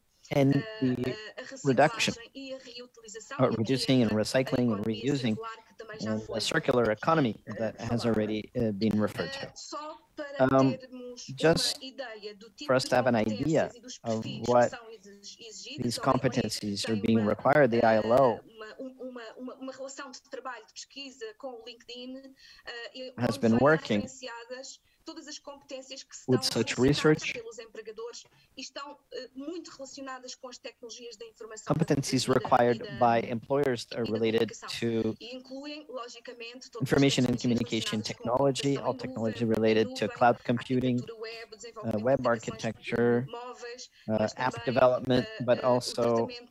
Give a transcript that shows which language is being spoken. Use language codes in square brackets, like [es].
[en] And the reduction, or reducing and recycling and reusing in a circular economy that has already been referred to. Just for us to have an idea of what these competencies are being required. The ILO. [pt] Uma relação de trabalho de pesquisa com o LinkedIn [en] has been working. [pt] Todas as competências que estão solicitadas pelos empregadores estão muito relacionadas com as tecnologias da informação. [en] Competencies required by employers are related to information and communication technology, all technology related to cloud computing, web architecture, app development, but also